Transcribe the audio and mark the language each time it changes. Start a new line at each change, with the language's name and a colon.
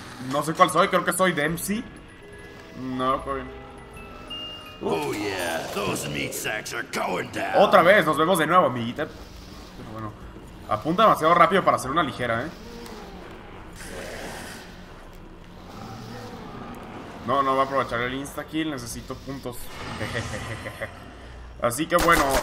Spanish: No sé cuál soy, creo que soy Dempsey.
English: No, coin. Oh yeah, those meat sacks are going down.
Spanish: Otra vez, nos vemos de nuevo, amiguita. Pero bueno, apunta demasiado rápido para hacer una ligera, No, no va a aprovechar el insta kill, necesito puntos. Así que bueno.